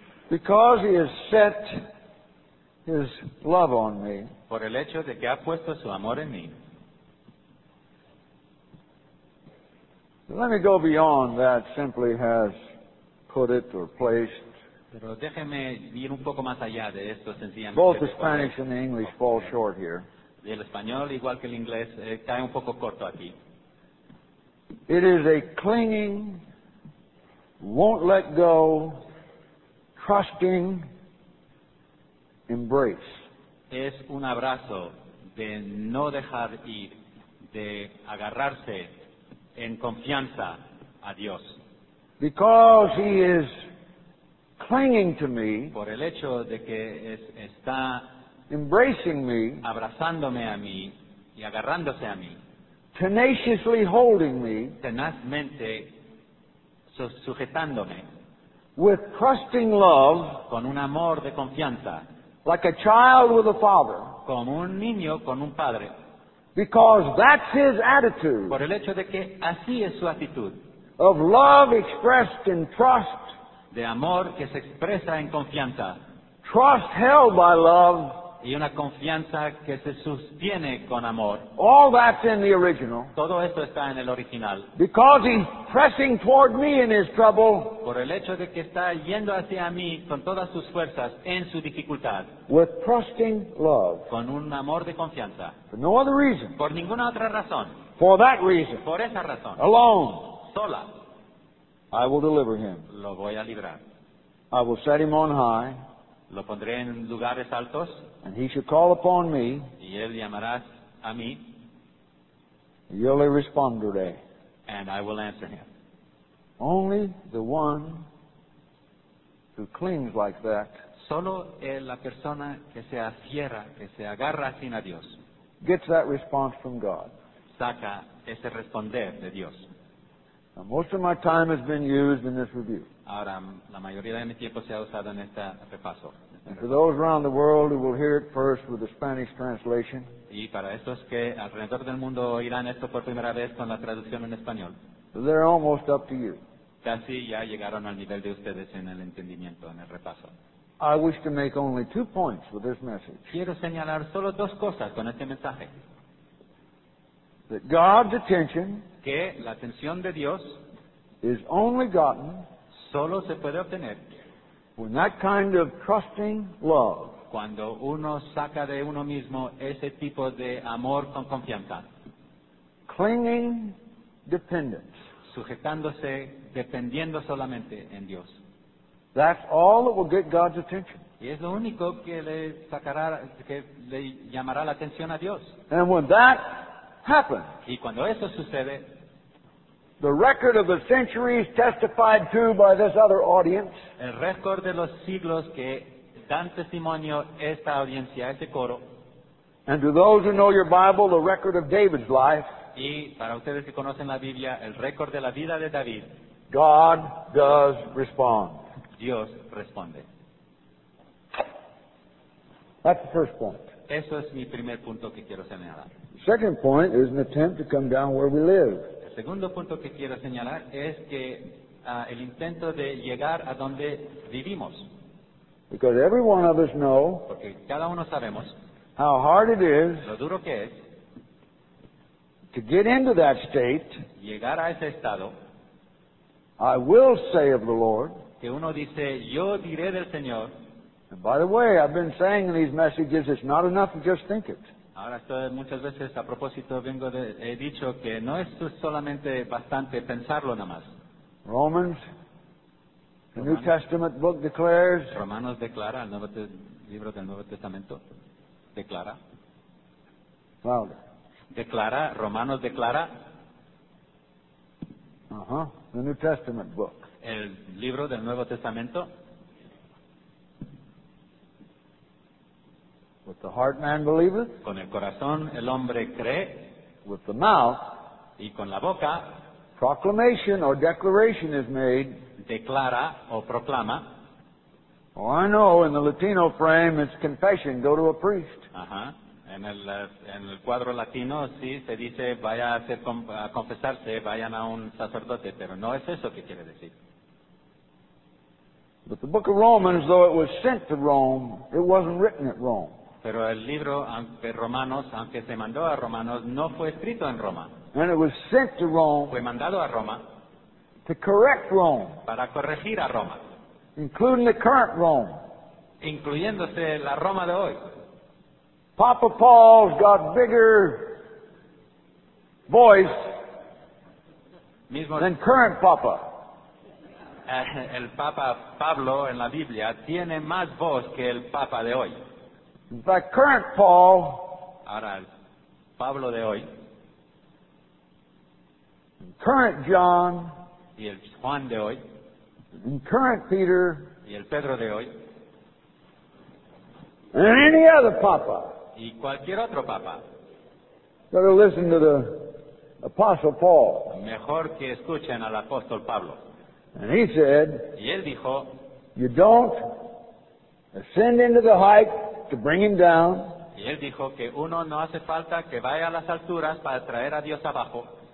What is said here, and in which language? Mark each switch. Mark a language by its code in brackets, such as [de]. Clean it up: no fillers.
[en] Because he has set his love on me. [es] Por el hecho de que ha puesto su amor en mí. [en] Let me go beyond that simply has put it or placed. [es] Pero déjeme ir un poco más allá de esto sencillamente. [en] Both Hispanics and the English fall short here. [es] El español igual que el inglés cae un poco corto aquí. [en] It is a clinging, won't let go, trusting embrace. [es] Es un abrazo de no dejar ir, de agarrarse en confianza a Dios. [en] Because he is clinging to me, [es] por el hecho de que está [en] embracing me, [es] abrazándome a mí y agarrándose a mí, [en] tenaciously holding me, [es] tenazmente sujetándome, [en] with trusting love, [es] con un amor de confianza, [en] like a child with a father, [es] como un niño con un padre, [en] because that's his attitude, [es] por el hecho de que así es su actitud, [en] of love expressed in trust, [es] de amor que se expresa en confianza, [en] trust held by love, [es] y una confianza que se sostiene con amor. [en] All that's in the original. [es] Todo esto está en el original. [en] Because he's pressing toward me in his trouble. [es] Por el hecho de que está yendo hacia mí con todas sus fuerzas en su dificultad. [en] With trusting love. [es] Con un amor de confianza. [en] For no other reason. [es] Por ninguna otra razón. [en] For that reason. [es] Por esa razón. [en] Alone. [es] Sola. [en] I will deliver him. [es] Lo voy a librar. [en] I will set him on high. [es] Lo pondré en lugares altos. [en] And he shall call upon me. [es] Y él llamarás a mí. [en] You'll respond today. And I will answer him. Only the one who clings like that. [es] Solo la persona que se afiera, que se agarra sin a Dios. [en] Gets that response from God. [es] Saca ese responder de Dios. [en] Now, most of my time has been used in this review. [es] Ahora, la mayoría de mi tiempo se ha usado en este repaso. [en] And for those around the world who will hear it first with the Spanish translation, [es] y para estos que alrededor del mundo oirán esto por primera vez con la traducción en español, [en] they're almost up to you. [es] Casi ya llegaron al nivel de ustedes en el entendimiento, en el repaso. [en] I wish to make only 2 points with this message. [es] Quiero señalar solo 2 cosas con este mensaje. [en] That God's attention, [es] que la atención de Dios, [en] is only gotten, [es] solo se puede obtener, [en] when that kind of trusting love, [es] cuando uno saca de uno mismo ese tipo de amor con confianza, [en] clinging dependence, [es] sujetándose, dependiendo solamente en Dios, [en] that's all that will get God's attention. [es] Y es lo único que le sacará, que le llamará la atención a Dios. [en] And when that happens, [es] y cuando eso sucede, [en] the record of the centuries testified to by this other audience. [es] El récord de los siglos que dan testimonio esta audiencia, este coro. [en] And to those who know your Bible, the record of David's life. [es] Y para ustedes que conocen la Biblia, el récord de la vida de David. [en] God does respond. [es] Dios responde. [en] That's the first point. [es] Eso es mi primer punto que quiero señalar. [en] The second point is an attempt to come down where we live. [es] El segundo punto que quiero señalar es que el intento de llegar a donde vivimos. [en] Because every one of us know, [es] porque cada uno sabemos, [en] how hard it is, [es] lo duro que es, [en] to get into that state, [es] llegar a ese estado, [en] I will say of the Lord, [es] que uno dice, yo diré del Señor. [en] And by the way, I've been saying in these messages, it's not enough to just think it. [es] Ahora, muchas veces, a propósito, he dicho que no es solamente bastante pensarlo nada más. [en] Romans, the New Testament book declares, [es] Romanos declara, el libro del Nuevo Testamento, declara. [en] Louder. [es] Declara, Romanos declara. [en] The New Testament book. [es] El libro del Nuevo Testamento. [en] With the heart man believeth. [es] Con el corazón el hombre cree. [en] With the mouth. [es] Y con la boca. [en] Proclamation or declaration is made. [es] Declara o proclama. [en] Oh, I know in the Latino frame it's confession. Go to a priest. Ajá. [es] En el cuadro latino sí se dice vaya a hacer a confesarse, vayan a un sacerdote, pero no es eso que quiere decir. [en] But the book of Romans, though it was sent to Rome, it wasn't written at Rome. [es] Pero el libro de Romanos, aunque se mandó a Romanos, no fue escrito en Roma. [en] And it was sent to Rome. [es] Fue mandado a Roma. [en] To correct Rome. [es] Para corregir a Roma. [en] Including the current Rome. [es] Incluyéndose la Roma de hoy. [en] Papa Paul's got bigger voice than current Papa. [es] El Papa Pablo en la Biblia tiene más voz que el Papa de hoy. [en] The current Paul. [es] Ahora, Pablo de hoy. [en] Current John. [es] Y el Juan de hoy. [en] And current Peter. [es] Y el Pedro de hoy. [en] And any other Papa. [es] Y cualquier otro Papa. [en] Better listen to the Apostle Paul. [es] Mejor que escuchen al Apóstol Pablo. [en] And he said, [es] y él dijo, [en] you don't ascend into the height to bring him down. [es] Y él dijo que uno no hace falta que vaya a las alturas para traer a Dios abajo.